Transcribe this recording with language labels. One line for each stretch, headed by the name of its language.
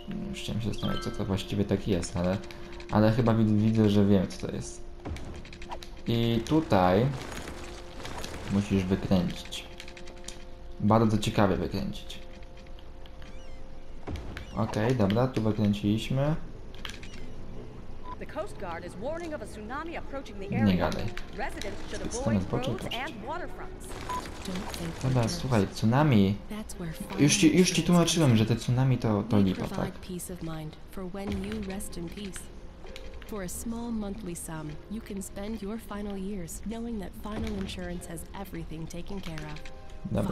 Polish: Już chciałem się zastanowić, co to właściwie tak jest, ale chyba widzę, że wiem, co to jest. I tutaj musisz wykręcić. Bardzo ciekawie wykręcić. Okej, dobra, tu wykręciliśmy.
English: The Coast Guard is warning of a tsunami approaching the area.
Polish: Nie gadaj.
English: Residents should avoid roads and waterfronts.
Polish: Dobra, słuchaj, tsunami. Już ci tłumaczyłem, że te tsunami to lipa, tak?
English: Peace of mind for when you rest in peace. For a small monthly sum, you can spend your final years knowing that Final Insurance has everything taken care of.